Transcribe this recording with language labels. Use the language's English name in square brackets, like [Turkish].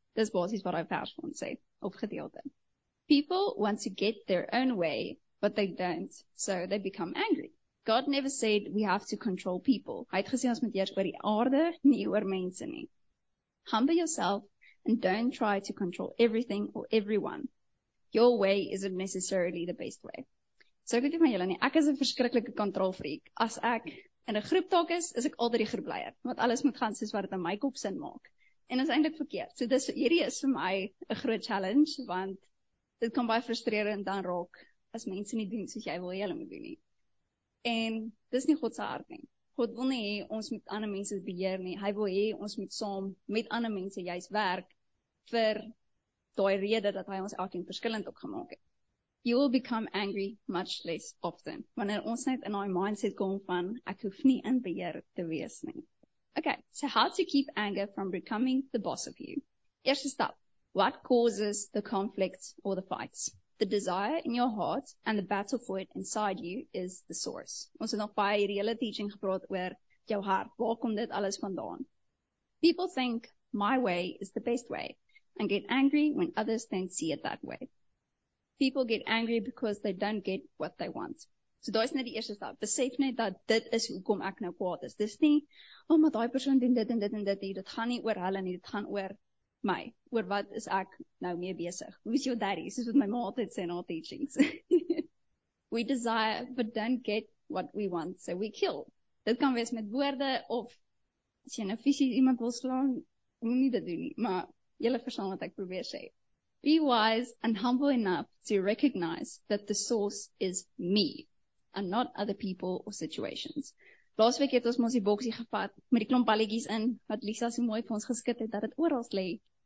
[English] This was what I found to say. People want to get their own way, but they don't, so they become angry. God never said we have to control people. Humble yourself and don't try to control everything or everyone. Your way isn't necessarily the best way. [Afrikaans] So ek weet nie van julle nie, ek is 'n verskriklike kontrolfreak. As ek in 'n groeptaak is, is ek altyd die groepleier, want alles moet gaan soos wat dit in my kop sin maak. En is eintlik verkeerd. So dis hierdie is vir my 'n groot challenge, want dit kan baie frustrerend dan raak as mense nie doen soos jy wil hê hulle moet doen nie. En dis nie God se hart nie. God wil nie hê ons moet ander mense beheer nie. Hy wil hê ons moet saam met ander mense juis werk vir daai rede dat hy ons elkeen verskillend opgemaak het. [English] You will become angry much less often. [Afrikaans] Wanneer ons net in our mindset kom van, ek hoef nie in beheer te wees nie. [English] Okay, so how to keep anger from becoming the boss of you? [Afrikaans] Eerste stap, [English] what causes the conflict or the fights? The desire in your heart and the battle for it inside you is the source. [Afrikaans] Ons het nog baie hierdie hele teaching gepraat oor jou hart. Waar kom dit alles vandaan? [English] People think my way is the best way and get angry when others don't see it that way. People get angry because they don't get what they want. [Afrikaans] So daai is net die eerste stap. Besef net dat dit is hoekom ek nou kwaad is. Dis nie, oh maar daai persoon doen dit en dit en dit nie. Dit gaan nie oor hulle nie, dit gaan oor my. Oor wat is ek nou mee besig? [English] Who's your daddy? [Afrikaans] Soos wat my ma altyd sê in haar teachings. [English] We desire but don't get what we want, so we kill. [Afrikaans] Dit kan wees met woorde of as jy nou fisies iemand wil slaan, moet nie dit doen nie. Maar julle verstaan wat ek probeer sê. [English] Be wise and humble enough to recognize that the source is me and not other people or situations. [Afrikaans] Laasweek het ons mos die boksie gevat met die klomp balletjies in wat Lisa so mooi vir ons geskit het dat dit oral lê.